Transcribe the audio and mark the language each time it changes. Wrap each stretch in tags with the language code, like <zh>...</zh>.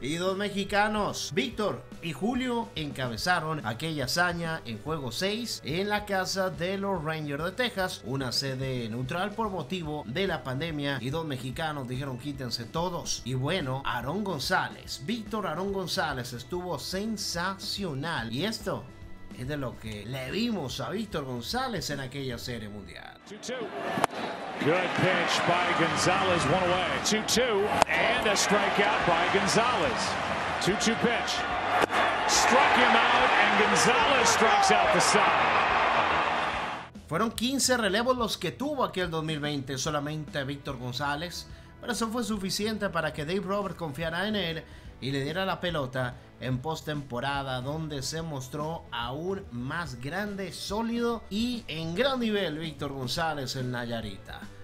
<es>Y dos mexicanos, Víctor y Julio, encabezaron aquella hazaña en juego 6 en la casa de los Rangers de Texas, una sede neutral por motivo de la pandemia, y dos mexicanos dijeron quítense todos. Y bueno, Víctor Aarón González estuvo sensacional, y esto es de lo que le vimos a Víctor González en aquella Serie Mundial.</es> <en>2-2. Good pitch by Gonzalez, one away. 2-2 and a strikeout by Gonzalez. 2-2 pitch. Struck him out and Gonzalez strikes out the side.</en> <es>Fueron 15 relevos los que tuvo aquel 2020 solamente Víctor González, pero eso fue suficiente para que Dave Roberts confiara en él y le diera la pelota en postemporada, donde se mostró aún más grande, sólido y en gran nivel Víctor González en nayarita.</es>